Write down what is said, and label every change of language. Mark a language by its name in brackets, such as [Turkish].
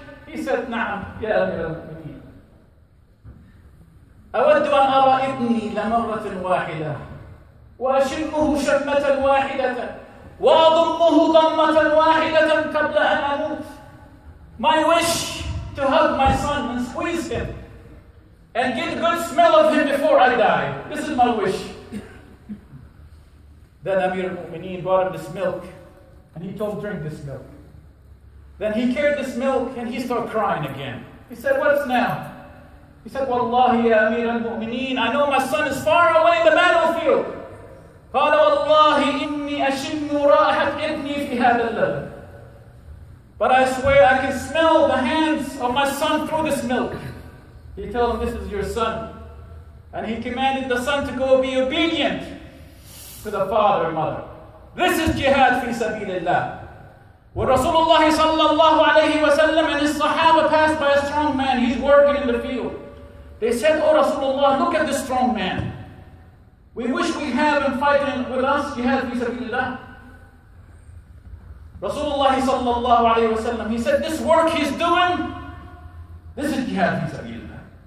[English] He said, [Arabic] نعم, يا أمير المؤمنين. أود أن أرى ابني لمرة واحدة وأشمه شمة واحدة وأضمه ضمة واحدة قبل أن أموت. [English] My wish to hug my son and squeeze him and get a good smell of him before I die. This is my wish. Then Amir al-Mu'mineen brought him this milk and he told him, drink this milk. Then he carried this milk and he started crying again. He said, what's now? He said, Wallahi ya Amir al-Mu'mineen, I know my son is far away in the battlefield. [Arabic] قال والله إني أشم رائحة ابني في هذا اللبن. [English] But I swear I can smell the hands of my son through this milk. He told him, this is your son. And he commanded the son to go be obedient to the father and mother. This is jihad [Arabic] في سبيل الله. [English] When Rasulullah [Arabic] صلى الله عليه وسلم [English] and his Sahaba passed by a strong man, he's working in the field. They said, oh Rasulullah, look at this strong man. We wish we had him fighting with us, jihad fi sabilillah. Rasulullah sallallahu alayhi wa sallam, he said, this work he's doing, this is jihad fi sabilillah.